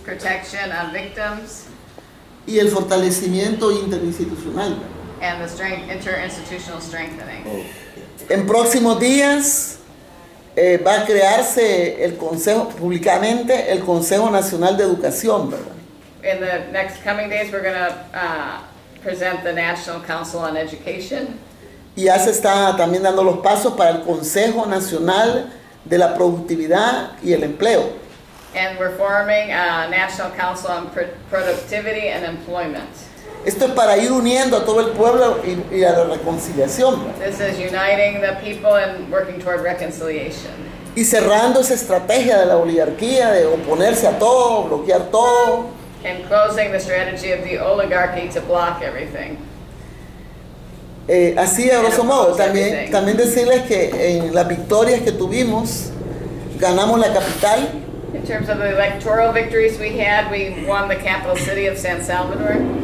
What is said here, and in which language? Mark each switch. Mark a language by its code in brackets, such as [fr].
[en] Protection of victims. [es] Y el fortalecimiento interinstitucional. [en] And the strength, interinstitutional strengthening. [es] En próximos días va a crearse el consejo, públicamente el Consejo Nacional de Educación, ¿verdad? [en] In the next coming days, we're going to present the National Council on Education. [es] Y ya se está también dando los pasos para el Consejo Nacional de la Productividad y el Empleo. [en] And we're forming a National Council on Productivity and Employment. [es] Esto es para ir uniendo a todo el pueblo y a la reconciliación. [en] This is uniting the people and working toward reconciliation. [es] Y cerrando esa estrategia de la oligarquía, de oponerse a todo, bloquear todo. [en] And closing the strategy of the oligarchy to block everything. [es] Así de grosso modo, también decirles que en las victorias que tuvimos, ganamos la capital. [en] In terms of the electoral victories we had, we won the capital city of San Salvador.